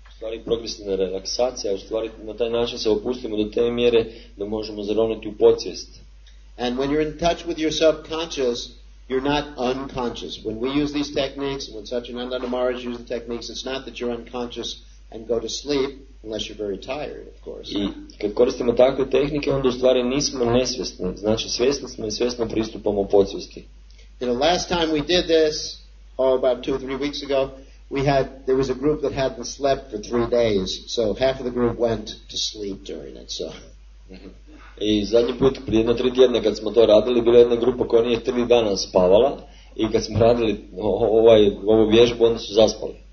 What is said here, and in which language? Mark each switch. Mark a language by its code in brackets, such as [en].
[hr] Stvari progresivna relaksacija, u stvari na taj način se opustimo do te mjere da možemo zaroniti u podsvijest. [en] And when you're in touch with your subconscious, you're not unconscious. When we use these techniques, when Satchinanda Maharaj uses the techniques, it's not that you're unconscious and go to sleep, unless you're very tired, of course. [hr] I kad koristimo takve tehnike, onda u stvari nismo nesvjesni. Znači, svjesni smo i svjesno pristupamo podsvijesti. [en] The last time we did this, about 2 or 3 weeks ago, there was a group that hadn't slept for 3 days, so half of the group went to sleep during it, so... [hr] I zadnji put, prije jedno 3 tjedna kad smo to radili, bila jedna grupa koja nije 3 dana spavala i kad smo radili ovu vježbu, onda su zaspali.